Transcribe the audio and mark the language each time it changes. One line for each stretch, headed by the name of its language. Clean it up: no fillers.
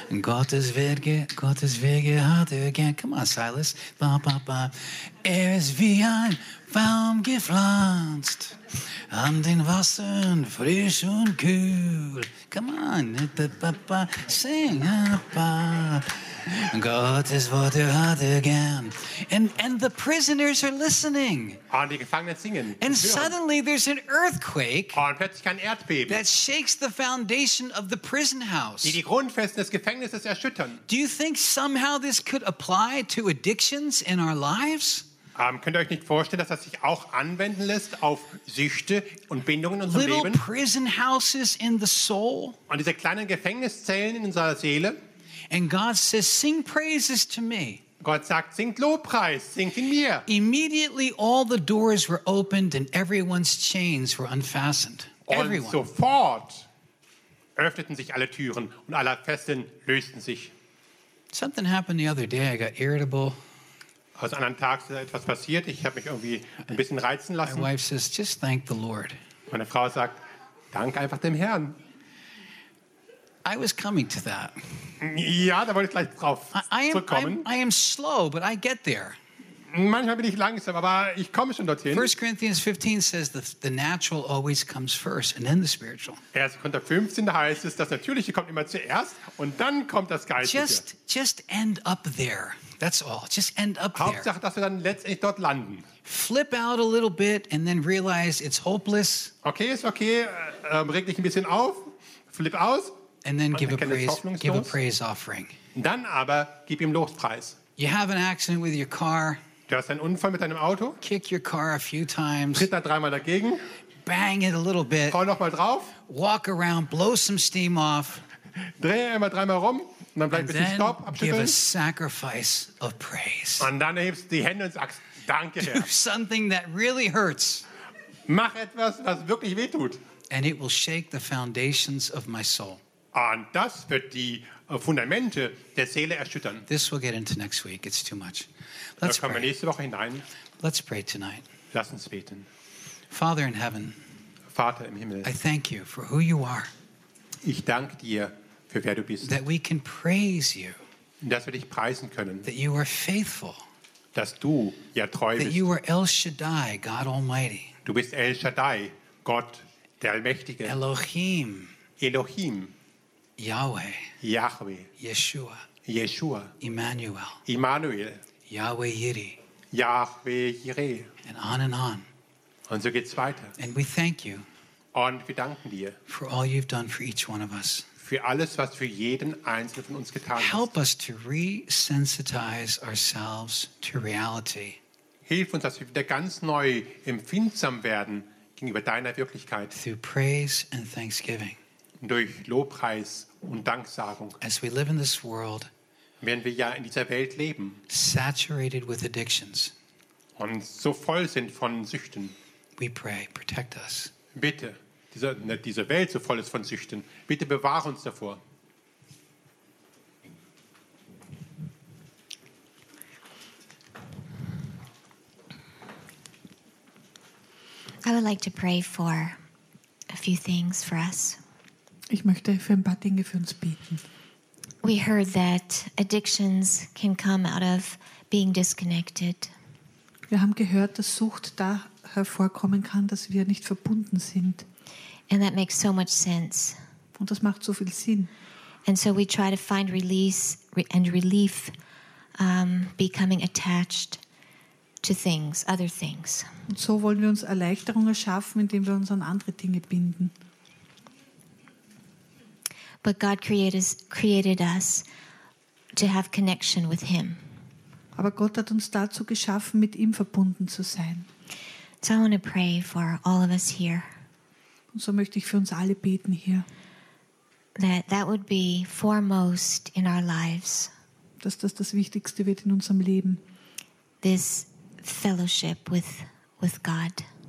German: Gottes Wege hat er gern.
English: Come on, Silas.
German: Ba, ba, ba. Er ist wie ein Baum gepflanzt an den Wassern frisch und kühl.
English: Come on. Da, ba, ba. Sing. Ba.
German: Gottes Worte hat er gern.
English: And the prisoners are listening.
German: Und die Gefangenen singen.
English: And suddenly there's an earthquake.
German: Und plötzlich ein Erdbeben.
English: That shakes the foundation of the prison house.
German: Die Grundfesten des Gefängnisses erschüttern.
English: Do you think somehow this could apply to addictions in our lives?
German: Könnt ihr euch nicht vorstellen, dass das sich auch anwenden lässt auf Süchte und Bindungen in unserem
English: Little
German: Leben?
English: Prison houses in the soul.
German: Und diese kleinen Gefängniszellen in unserer Seele.
English: And God says, sing praises to me.
German: Gott sagt, singt Lobpreis, singt in mir.
English: Immediately all the doors were opened and everyone's chains were unfastened.
German: Und
English: everyone.
German: Sofort öffneten sich alle Türen und alle Fesseln lösten sich.
English: Something happened the other day, I got irritable.
German: Also an einem Tag ist etwas passiert, ich habe mich irgendwie ein bisschen reizen lassen.
English: My wife says, just thank the Lord.
German: Meine Frau sagt, dank einfach dem Herrn.
English: I was coming to that.
German: Ja, da wollte ich gleich drauf zurückkommen.
English: I am slow, but I get there.
German: Manchmal bin ich langsam, aber ich komme schon dorthin.
English: 1 Corinthians 15 says the natural always comes first and then the spiritual.
German: 1. Korinther 15, da heißt es, das Natürliche kommt immer zuerst und dann kommt das Geistliche.
English: Just end up there. That's all. Just end up there.
German: Hauptsache, dass wir dann letztendlich dort landen.
English: Flip out a little bit and then realize it's hopeless.
German: Okay, ist okay. Reg dich ein bisschen auf. Flip aus.
English: And then give a praise offering.
German: Dann aber gib ihm Lobpreis.
English: You have an accident with your car.
German: Du hast einen Unfall mit deinem Auto.
English: Kick your car a few times.
German: Tritt da dreimal dagegen.
English: Bang it a little bit.
German: Hau noch mal drauf.
English: Walk around, blow some steam off.
German: Dreh einmal dreimal rum und dann bleibt ein bisschen Staub abschütteln.
English: Give a sacrifice of praise.
German: Und dann erhebst du die Hände und sagst, danke Herr.
English: Do something that really hurts.
German: Mach etwas, was wirklich wehtut.
English: And it will shake the foundations of my soul.
German: Und das wird die Fundamente der Seele erschüttern.
English: This will get into next week. It's too much. Let's pray.
German: Da kommen wir nächste Woche hinein.
English: Let's pray tonight.
German: Lass uns beten.
English: Father in heaven.
German: Vater im Himmel.
English: I thank you for who you are.
German: Ich danke dir für wer du bist.
English: That we can praise you.
German: Dass wir dich preisen können.
English: That you are faithful.
German: Dass du ja treu bist.
English: That you are El Shaddai, God Almighty.
German: Du bist El Shaddai, Gott der Allmächtige.
English: Elohim.
German: Elohim.
English: Yahweh.
German: Yahweh.
English: Yeshua.
German: Yeshua.
English: Emmanuel.
German: Emmanuel.
English: Yahweh Yiri.
German: Yahweh Yiri.
English: And on and on.
German: Und so geht's weiter.
English: And we thank you.
German: Und wir danken dir.
English: For all you've done for each one of us.
German: Für alles, was für jeden einzelnen von uns getan ist.
English: Help us to resensitize ourselves to reality.
German: Hilf uns, dass wir wieder ganz neu empfindsam werden gegenüber deiner Wirklichkeit.
English: Through praise and thanksgiving.
German: Durch Lobpreis und Danksagung.
English: As we live in this world,
German: während wir ja in dieser Welt leben,
English: saturated with addictions,
German: und so voll sind von Süchten,
English: we pray, protect us.
German: Bitte, diese Welt so voll ist von Süchten, bitte bewahre uns davor.
English: I would like to pray for a few things for us.
German: Ich möchte für ein paar Dinge für uns beten.
English: We heard that addictions can come out of being disconnected.
German: Wir haben gehört, dass Sucht da hervorkommen kann, dass wir nicht verbunden sind.
English: And that makes so much sense.
German: Und das macht so viel Sinn.
English: And so we try to find release and relief becoming attached to things, other things.
German: Und so wollen wir uns Erleichterung erschaffen, indem wir uns an andere Dinge binden.
English: But God created us to have connection with him.
German: Aber Gott hat uns dazu geschaffen, mit ihm verbunden zu sein.
English: So I want to pray for all of us here.
German: Und so möchte ich für uns alle beten hier.
English: That would be foremost in our lives.
German: Dass das Wichtigste wird in unserem Leben.
English: This fellowship with God.